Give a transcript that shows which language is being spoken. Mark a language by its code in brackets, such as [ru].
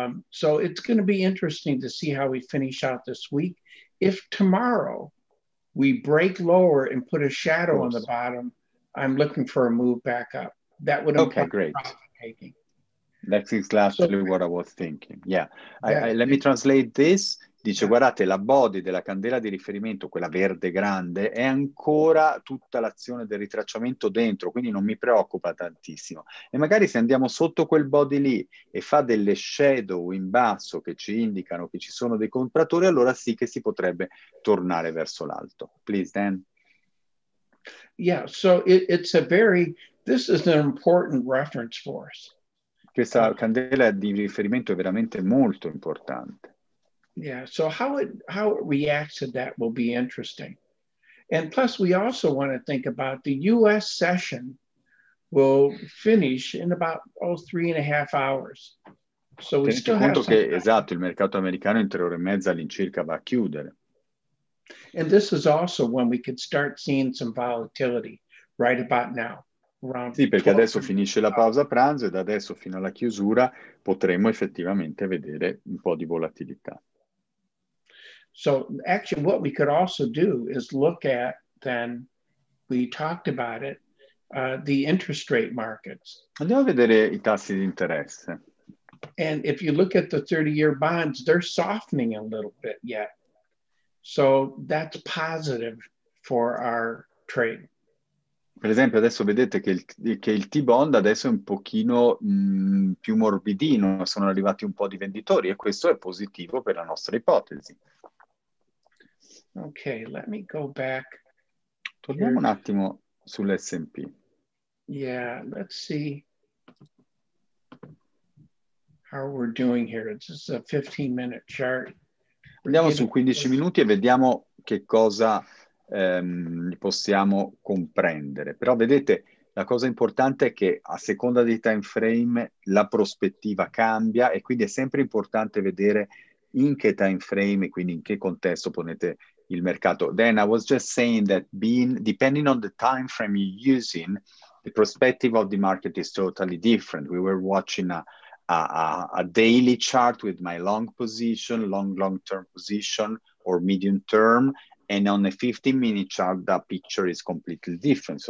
[en] So it's going to be interesting to see how we finish out this week. If tomorrow we break lower and put a shadow on the bottom, I'm looking for a move back up. That would okay, great. Profit taking. That's exactly what I was thinking. Yeah. Let me translate this. [it] dice, guardate, la body della candela di riferimento, quella verde grande, è ancora tutta l'azione del ritracciamento dentro, quindi non mi preoccupa tantissimo. E magari se andiamo sotto quel body lì e fa delle shadow in basso che ci indicano che ci sono dei compratori, allora sì che si potrebbe tornare verso l'alto. [en] Please, Dan. Yeah, so it's a very, this is an important reference for us. [it] Questa candela di riferimento è veramente molto importante. [en] Yeah, so how it reacts to that will be interesting. And plus we also want to think about the U.S. session will finish in about, 3.5 hours. So we still have [it] conto che, esatto, il mercato americano in 3 ore e mezza all'incirca va a chiudere. [en] And this is also when we could start seeing some volatility right about now. [it] Sì, perché adesso finisce la pausa pranzo e da adesso fino alla chiusura potremo effettivamente vedere un po' di volatilità. [en] So, actually, what we could also do is look at, then, we talked about it, the interest rate markets. [it] Andiamo a vedere i tassi di interesse. [en] And if you look at the 30-year bonds, they're softening a little bit yet. So that's positive for our trade. [it] Per esempio, adesso vedete che il T-bond adesso è un pochino più morbidino, sono arrivati un po' di venditori e questo è positivo per la nostra ipotesi. [en] Ok, let me go back. [it] Torniamo here. Un attimo sull'S&P. [en] Yeah, let's see how we're doing here. It's just a 15-minute chart. [it] Andiamo su 15 minuti e vediamo che cosa possiamo comprendere. Però vedete, la cosa importante è che a seconda dei time frame la prospettiva cambia e quindi è sempre importante vedere in che time frame e quindi in che contesto ponete il mercato. [en] Then I was just saying that depending on the time frame you're using, the perspective of the market is totally different. We were watching a daily chart with my long position, long term position or medium term, and on a 15-minute chart that picture is completely different.